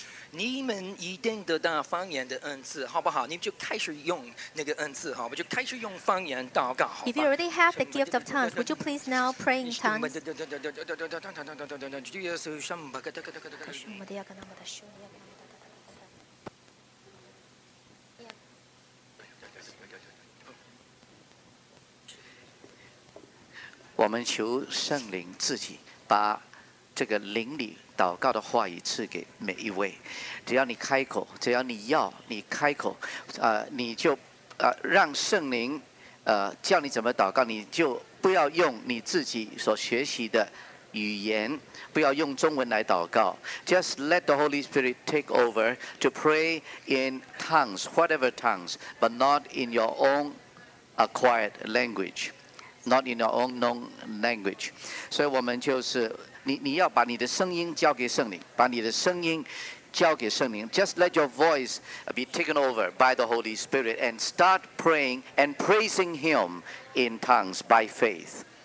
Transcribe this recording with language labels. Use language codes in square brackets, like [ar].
[zh] 你们一定得到方言的恩赐，好不好？你们就开始用那个恩赐，好吧？就开始用方言祷告，好吧 [en] ？If you already have the gift of tongues, would you please now pray in tongues? [zh] 我们求圣灵自己把这个灵里祷告的话语赐给每一位，只要你开口，只要你要你开口，你就让圣灵叫你怎么祷告，你就不要用你自己所学习的语言，不要用中文来祷告。 [en] Just let the Holy Spirit take over to pray in tongues, whatever tongues, but not in your own acquired language, not in your own known language. [zh] 所以我们就是。你要把你的声音交给圣灵，把你的声音交给圣灵。 [en] Just let your voice be taken over by the Holy Spirit and start praying and praising Him in tongues by faith.